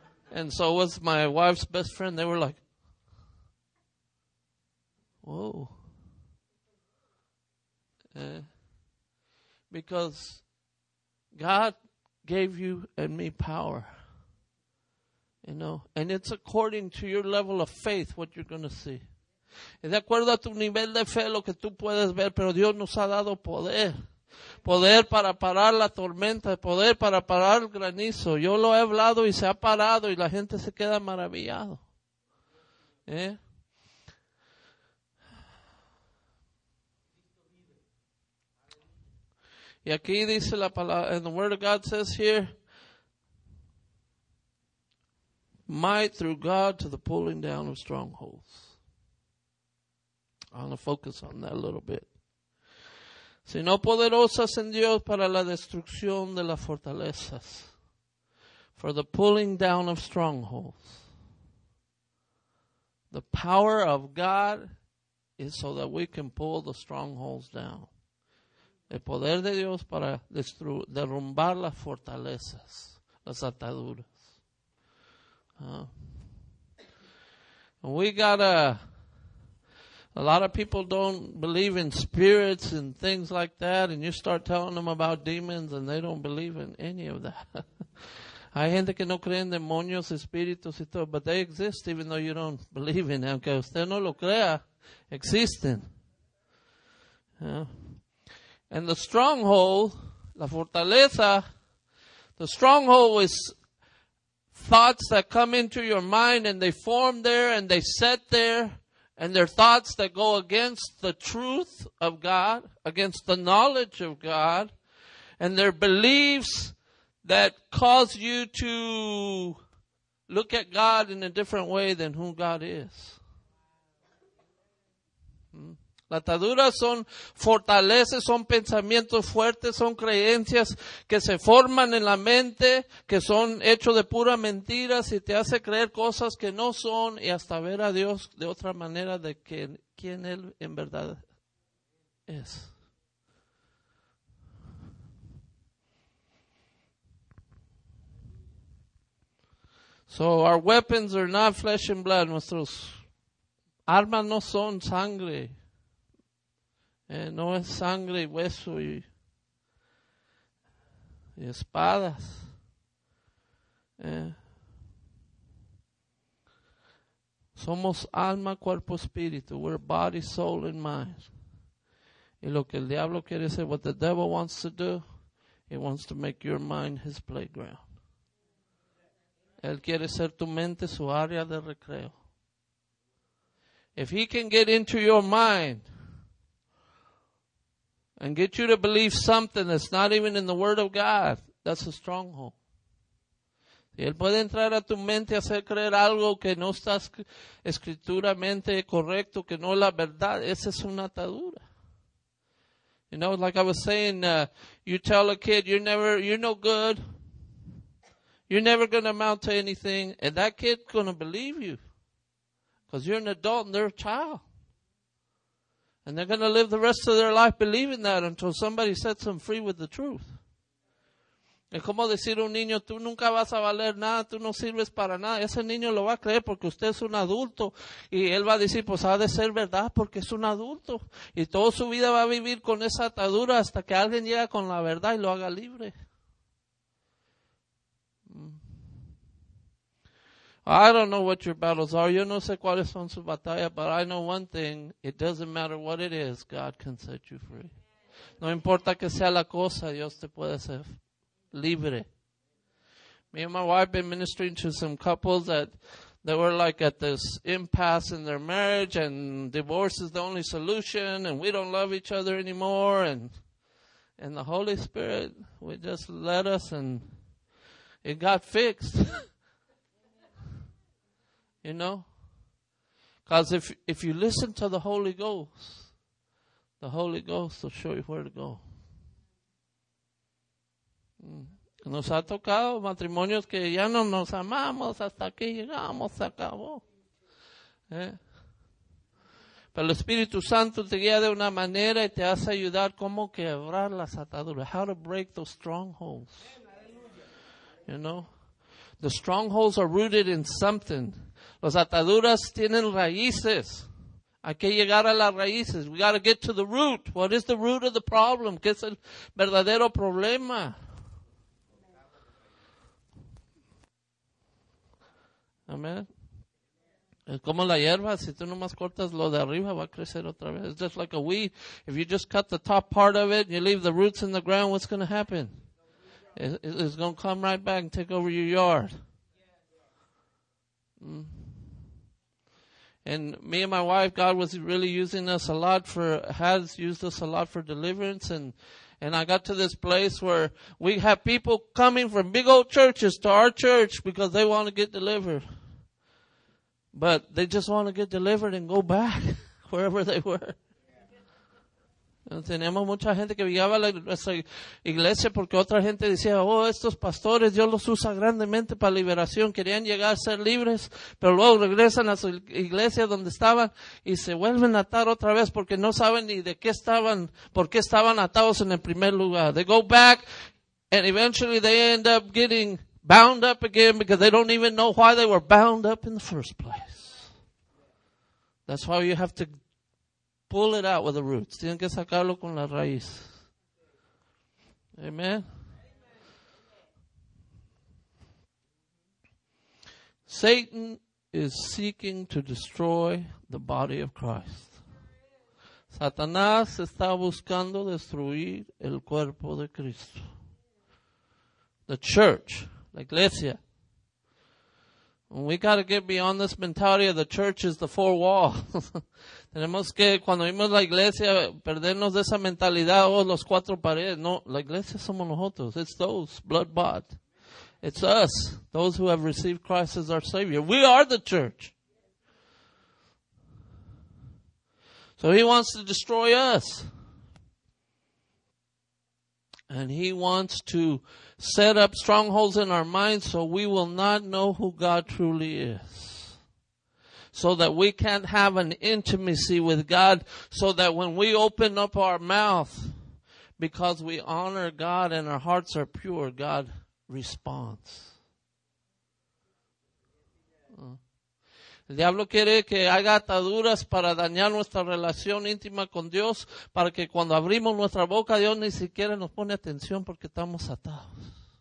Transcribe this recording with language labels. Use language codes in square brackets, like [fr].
[en] And so was my wife's best friend. They were like, "Whoa." Because God gave you and me power. You know, and it's according to your level of faith what you're going to see. [es] Es de acuerdo a tu nivel de fe lo que tú puedes ver, pero Dios nos ha dado poder. Poder para parar la tormenta, poder para parar el granizo. Yo lo he hablado y se ha parado y la gente se queda maravillado. Y aquí dice la palabra, [en] and the word of God says here, might through God to the pulling down of strongholds. I want to focus on that a little bit. [es] Sino poderosas en Dios para la destrucción de las fortalezas. [en] For the pulling down of strongholds. The power of God is so that we can pull the strongholds down. [es] El poder de Dios para derrumbar las fortalezas, las ataduras. [en] We got a lot of people don't believe in spirits and things like that, and you start telling them about demons and they don't believe in any of that. [es] Hay gente que no cree en demonios, espíritus y todo, [en] but they exist even though you don't believe in them. [es] Aunque usted no lo crea, existen. [en] And the stronghold, [es] la fortaleza, [en] the stronghold is thoughts that come into your mind and they form there and they set there, and they're thoughts that go against the truth of God, against the knowledge of God, and they're beliefs that cause you to look at God in a different way than who God is. [es] La atadura son fortalezas, son pensamientos fuertes, son creencias que se forman en la mente, que son hechos de pura mentira, y te hace creer cosas que no son, y hasta ver a Dios de otra manera de quién Él en verdad es. [en] So our weapons are not flesh and blood. [es] Nuestros armas no son sangre. No es sangre y hueso y espadas. Somos alma, cuerpo, espíritu. [en] We're body, soul, and mind. [es] Y lo que el diablo quiere hacer, [en] what the devil wants to do, he wants to make your mind his playground. [es] Él quiere ser tu mente su área de recreo. [en] If he can get into your mind and get you to believe something that's not even in the Word of God, that's a stronghold. [es] Y él puede entrar a tu mente y hacer creer algo que no está escrituramente correcto, que no es la verdad. Esa es una atadura. [en] You know, like I was saying, you tell a kid, you're no good. You're never going to amount to anything. And that kid's going to believe you. Because you're an adult and they're a child. And they're going to live the rest of their life believing that until somebody sets them free with the truth. [es] Es como decir a un niño, tú nunca vas a valer nada, tú no sirves para nada. Ese niño lo va a creer porque usted es un adulto. Y él va a decir, pues ha de ser verdad porque es un adulto. Y toda su vida va a vivir con esa atadura hasta que alguien llegue con la verdad y lo haga libre. [en] I don't know what your battles are. [es] Yo no sé cuáles son sus batallas, [en] but I know one thing. It doesn't matter what it is. God can set you free. [es] No importa que sea la cosa, Dios te puede hacer libre. [en] Me and my wife been ministering to some couples that they were like at this impasse in their marriage, and divorce is the only solution, and we don't love each other anymore, and the Holy Spirit would just let us, and it got fixed. You know, because if you listen to the Holy Ghost will show you where to go. [es] Nos ha tocado matrimonios que ya no nos amamos, hasta aquí llegamos, se acabó. Pero el Espíritu Santo te guía de una manera y te hace ayudar cómo quebrar las ataduras. [en] How to break those strongholds. You know, the strongholds are rooted in something. [es] Las ataduras tienen raíces. Hay que llegar a las raíces. [en] We got to get to the root. What is the root of the problem? [es] ¿Qué es el verdadero problema? Amen. Es como la hierba. Si tú nomás cortas lo de arriba, va a crecer otra vez. [en] It's just like a weed. If you just cut the top part of it and you leave the roots in the ground, what's going to happen? It's going to come right back and take over your yard. And me and my wife, God was really using us a lot has used us a lot for deliverance. And I got to this place where we have people coming from big old churches to our church because they want to get delivered. But they just want to get delivered and go back. wherever they were. [es] Teníamos mucha gente que llegaba a nuestra iglesia porque otra gente decía, oh, estos pastores, Dios los usa grandemente para liberación. Querían llegar a ser libres, pero luego regresan a su iglesia donde estaban y se vuelven a atar otra vez porque no saben ni de qué estaban, por qué estaban atados en el primer lugar. [en] They go back and eventually they end up getting bound up again because they don't even know why they were bound up in the first place. That's why you have to pull it out with the roots. [es] Tienen que sacarlo con la raíz. [en] Amen. Satan is seeking to destroy the body of Christ. [es] Satanás está buscando destruir el cuerpo de Cristo. [en] The church, [es] la iglesia. [en] We got to get beyond this mentality of the church is the four walls. [es] Tenemos que, cuando vimos la iglesia, perdernos de esa mentalidad, oh, los cuatro paredes. No, la iglesia somos nosotros. [en] It's those blood-bought. It's us, those who have received Christ as our Savior. We are the church. So he wants to destroy us. And he wants to set up strongholds in our minds so we will not know who God truly is. So that we can't have an intimacy with God. So that when we open up our mouth, because we honor God and our hearts are pure, God responds. [es] El diablo quiere que haga ataduras para dañar nuestra relación íntima con Dios, para que cuando abrimos nuestra boca, Dios ni siquiera nos pone atención porque estamos atados.